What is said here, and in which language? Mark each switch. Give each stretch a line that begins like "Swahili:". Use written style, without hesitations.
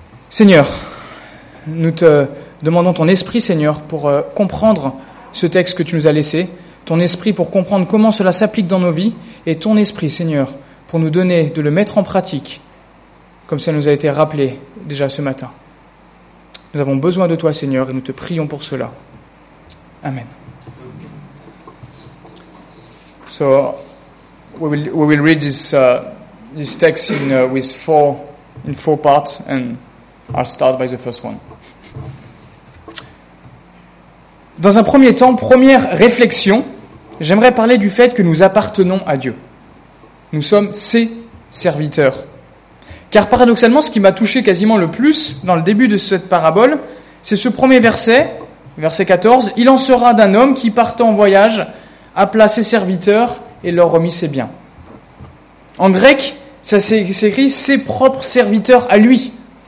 French: Seigneur, nous te demandons ton esprit, Seigneur, pour comprendre ce texte que tu nous as laissé, ton esprit pour comprendre comment cela s'applique dans nos vies, et ton esprit, Seigneur, pour nous donner de le mettre en pratique, comme ça nous a été rappelé déjà ce matin. Nous avons besoin de toi, Seigneur, et nous te prions pour cela. Amen.
English: So, we will read this text in four parts, and I'll start by the first one.
French: Dans un premier temps, première réflexion, j'aimerais parler du fait que nous appartenons à Dieu. Nous sommes ses serviteurs. Car paradoxalement, ce qui m'a touché quasiment le plus dans le début de cette parabole, c'est ce premier verset, verset 14, « Il en sera d'un homme qui, partant en voyage, appela ses serviteurs et leur remit ses biens. » En grec, ça s'écrit « ses propres serviteurs à lui ».